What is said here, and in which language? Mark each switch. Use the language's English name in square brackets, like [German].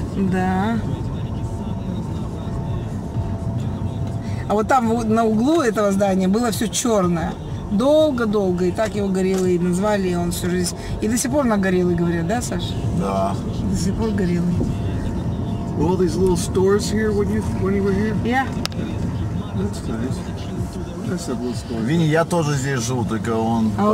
[Russian] Да. А вот там на углу этого здания было все черное. Долго-долго. И так его «Горелый» назвали, и он всю жизнь. И до сих пор на «Горелый» говорят, да, Саша? Да. До сих пор «Горелый». [English] All these little stores here when you were here? Yeah. That's nice. That's a little store. [Russian] Винни, я тоже здесь живу, только он...